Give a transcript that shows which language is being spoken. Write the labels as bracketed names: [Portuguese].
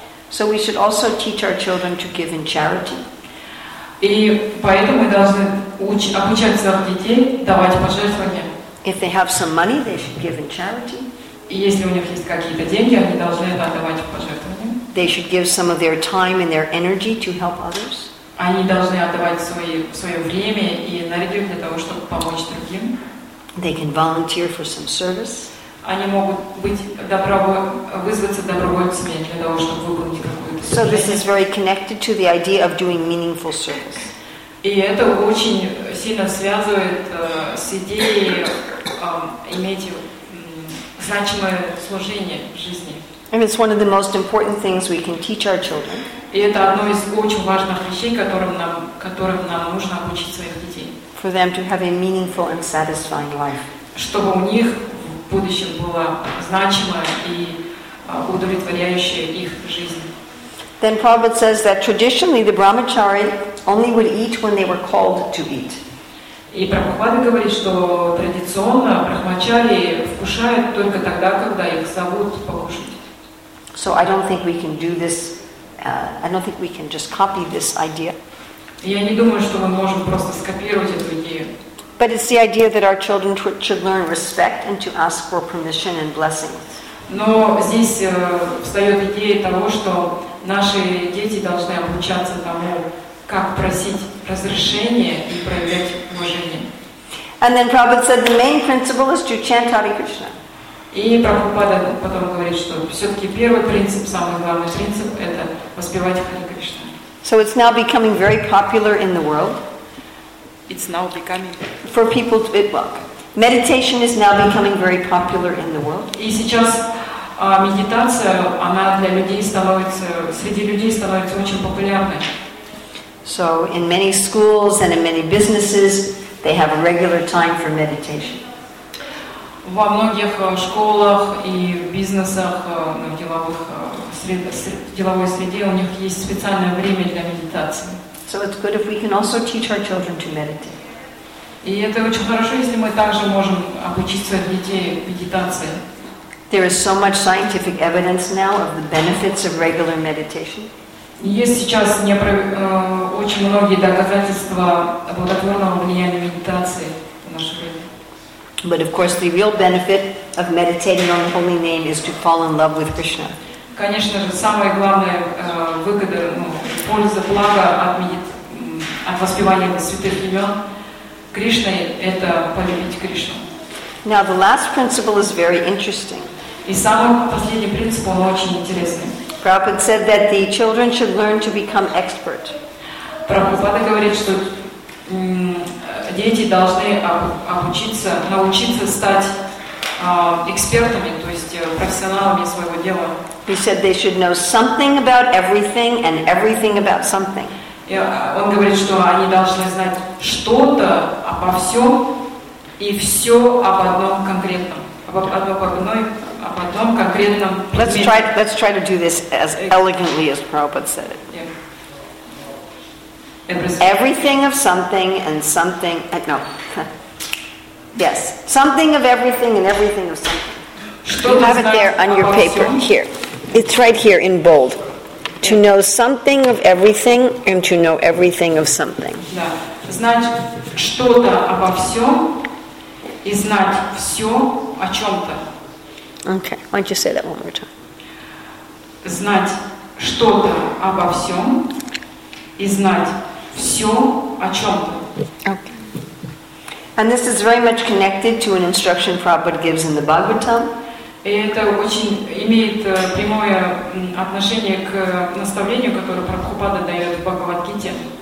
[English] So we should also teach our children to give in charity. [Russian] И поэтому мы должны обучать своих детей давать пожертвования. [English] If they have some money, they should give in charity. [Russian] И если у них есть какие-то деньги, они должны это отдавать в пожертвования. [English] They should give some of their time and their energy to help others. [Russian] Они должны отдавать свое время и энергию для того, чтобы помочь другим. [English] They can volunteer for some service. [Russian] Они могут быть вызваться добровольцами для того, чтобы выполнить какую-то [English] service. So this is very connected to the idea of doing meaningful service. [Russian] И это очень сильно связывает с идеей иметь значимое служение в жизни. [English] And it's one of the most important things we can teach our children. [Russian] И это одно из очень важных вещей, которым нам нужно обучить своих детей. [English] For them to have a meaningful and satisfying life. [Russian] Чтобы у них в будущем было значимое и удовлетворяющее их жизнь. [English] Then Prabhupada says that traditionally the brahmachari only would eat when they were called to eat. [Russian] И Прабхупада говорит, что традиционно брахмачари вкушают только тогда, когда их зовут покушать. [English] So I don't think we can do this. I don't think we can just copy this idea. [Russian] Я не думаю, что мы можем просто скопировать эту идею. [English] But it's the idea that our children should learn respect and to ask for permission and blessings. [Russian] Но здесь встает идея того, что наши дети должны обучаться тому, как просить разрешение и проявлять уважение. [English] And then Prabhupada said the main principle is to chant Hare Krishna. [Russian] И Прабхупада потом говорит, что все-таки первый принцип, самый главный принцип, это воспевать Хари Кришну. [English] So it's now becoming very popular in the world. It's now becoming. For people to well, meditation is now becoming very popular in the world. [Russian] И сейчас медитация, она среди людей становится очень популярной. [English] So in many schools and in many businesses, they have a regular time for meditation. [Russian] Во многих школах и бизнесах, в деловых деловой среде у них есть специальное время для медитации. [English] So it's good if we can also teach our children to meditate. [Russian] И это очень хорошо, если мы также можем обучить своих детей медитации. [English] There is so much scientific evidence now of the benefits of regular meditation. [Russian] Есть сейчас очень многие доказательства благотворного влияния медитации. [English] But of course, the real benefit of meditating on the holy name is to fall in love with Krishna. [Russian] Конечно же, самая главная выгода, польза, благо от от воспевания святых имен Кришны – это полюбить Кришну. [English] Now the last principle is very interesting. [Russian] И самый последний принцип, он очень интересный. [English] Prabhupada said that the children should learn to become expert. [Russian] Прабхупада говорит, что дети должны обучиться, научиться стать экспертами, то есть профессионалами своего дела. [English] He said they should know something about everything and everything about something. [Russian] Он говорит, что они должны знать что-то обо всем и все об одном конкретном. [English] Let's try to do this as elegantly as Prabhupada said it. Yeah. Everything of something and something... No. Yes. Something of everything and everything of something. You have it there on your paper. Here. It's right here in bold. To know something of everything and to know everything of something. [Russian] Знать что-то обо всем и знать все о чем-то. [English] Okay, why don't you say that one more time? [Russian] Знать что-то обо всем и знать все о чем-то. [English] Okay. And this is very much connected to an instruction Prabhupada gives in the Bhagavatam. [Russian] И это очень имеет прямое отношение к наставлению, которое Прабхупада дает в Бхагавад-гите.